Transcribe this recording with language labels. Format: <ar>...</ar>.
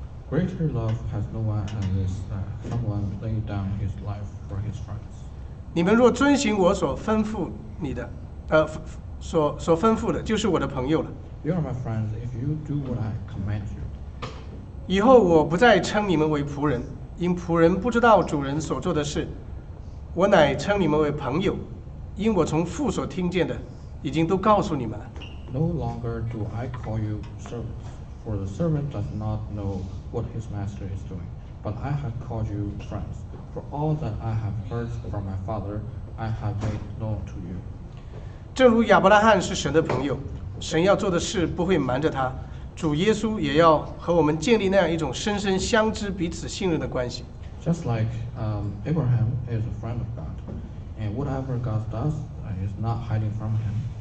<en>Greater love has no one than this, someone laid down his life for his friends.</en> <zh>你们若遵行我所吩咐你的，所吩咐的，就是我的朋友了。</zh> <en>You are my friends if you do what I command you.</en> <zh>以后我不再称你们为仆人，因仆人不知道主人所做的事。我乃称你们为朋友，因我从父所听见的，已经都告诉你们了。</zh> <en>No longer do I call you servants, for the servant does not know what his master is doing. But I have called you friends, for all that I have heard from my Father, I have made known to you.</en> <zh>正如亚伯拉罕是神的朋友，神要做的事不会瞒着他，主耶稣也要和我们建立那样一种深深相知、彼此信任的关系。</zh> <en>Just like Abraham is a friend of God, and whatever God does is not hiding from him.</en>